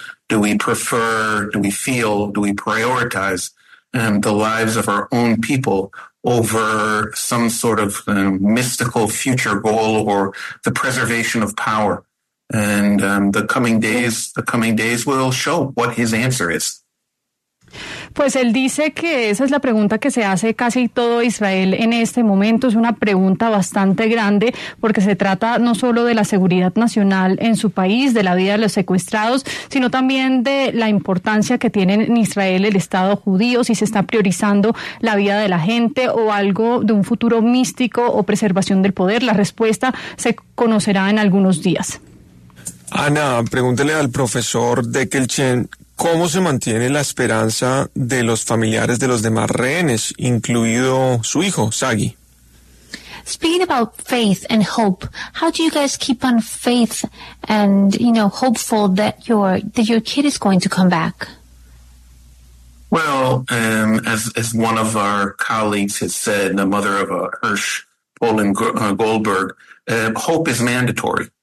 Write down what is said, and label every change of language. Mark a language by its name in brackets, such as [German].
[English] Do we prefer, do we feel, do we prioritize the lives of our own people over some sort of mystical future goal or the preservation of power? And the coming days will show what his answer is. [Spanish] Pues él dice que esa es la pregunta que se hace casi todo Israel en este momento. Es una pregunta bastante grande porque se trata no solo de la seguridad nacional en su país, de la vida de los secuestrados, sino también de la importancia que tiene en Israel el Estado judío, si se está priorizando la vida de la gente o algo de un futuro místico o preservación del poder. La respuesta se conocerá en algunos días. Ana, pregúntele al profesor Dekel Chen, ¿cómo se mantiene la esperanza de los familiares de los demás rehenes, incluido su hijo, Sagi? [English] Speaking about faith and hope, how do you guys keep on faith and, you know, hopeful that your kid is going to come back? Well, as one of our colleagues has said, the mother of Hirsch, Poland Goldberg, hope is mandatory.